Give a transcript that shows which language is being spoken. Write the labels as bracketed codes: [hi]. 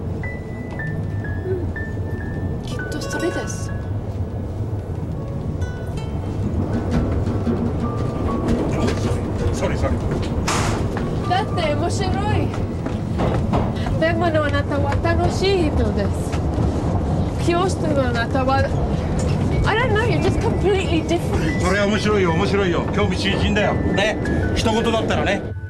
[ja] うん、きっとそれです。それだって面白い。でものあなたは楽しい人です。教室のあなたは、 [en] I don't know, you're just completely different. [ja] それは面白いよ、面白いよ。興味津々だよ。ね、一言だったらね。